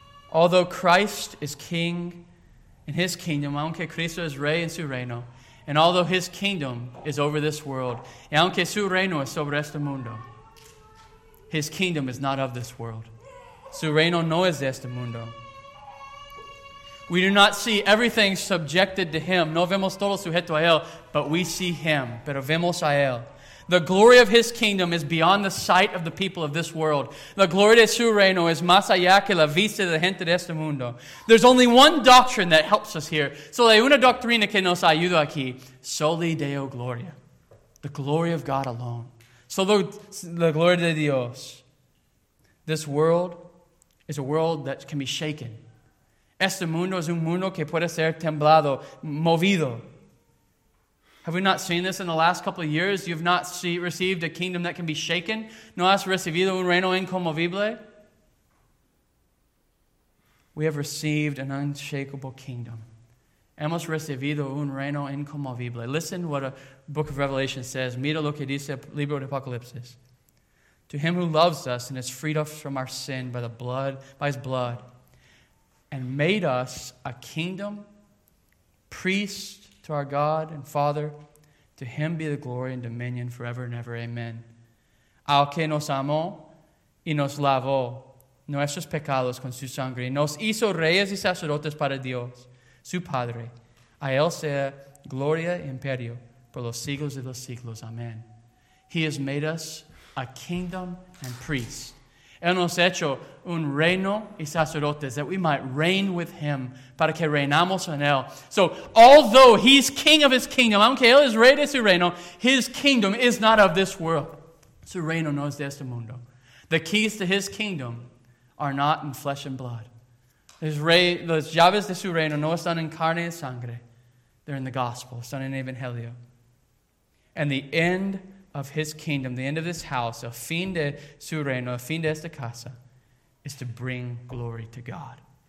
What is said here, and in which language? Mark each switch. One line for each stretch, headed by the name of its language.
English: Although Christ is king in his kingdom,
Spanish: aunque Cristo es rey en su reino,
English: and although his kingdom is over this world,
Spanish: y aunque su reino es sobre este mundo,
English: his kingdom is not of this world.
Spanish: Su reino no es de este mundo.
English: We do not see everything subjected to him.
Spanish: No vemos todo sujeto a él,
English: but we see him.
Spanish: Pero vemos a él.
English: The glory of his kingdom is beyond the sight of the people of this world.
Spanish: La gloria de su reino es más allá que la vista de la gente de este mundo.
English: There's only one doctrine that helps us here.
Spanish: Solo hay una doctrina que nos ayuda aquí.
Latin: Soli Deo Gloria.
English: The glory of God alone.
Spanish: Solo la gloria de Dios.
English: This world is a world that can be shaken.
Spanish: Este mundo es un mundo que puede ser temblado, movido.
English: Have we not seen this in the last couple of years? You have not received a kingdom that can be shaken?
Spanish: ¿No has recibido un reino inconmovible?
English: We have received an unshakable kingdom.
Spanish: Hemos recibido un reino inconmovible.
English: Listen to what the book of Revelation says.
Spanish: Mira lo que dice el libro de Apocalipsis.
English: To him who loves us and has freed us from our sin by his blood, and made us a kingdom, priest to our God and Father, to him be the glory and dominion forever and ever. Amen.
Spanish: Al que nos amó y nos lavó nuestros pecados con su sangre, nos hizo reyes y sacerdotes para Dios, su Padre. A él sea gloria y imperio por los siglos de los siglos. Amen.
English: He has made us a kingdom and priest.
Spanish: Él nos ha hecho un reino y sacerdotes
English: that we might reign with him
Spanish: para que reinamos en él.
English: So, although he's king of his kingdom,
Spanish: aunque él es rey de su reino,
English: his kingdom is not of this world.
Spanish: Su reino no es de este mundo.
English: The keys to his kingdom are not in flesh and blood.
Spanish: Las llaves de su reino no están en carne y sangre.
English: They're in the gospel,
Spanish: están en evangelio.
English: And the end of his kingdom, the end of this house,
Spanish: el fin de su reino, el fin de esta casa,
English: is to bring glory to God.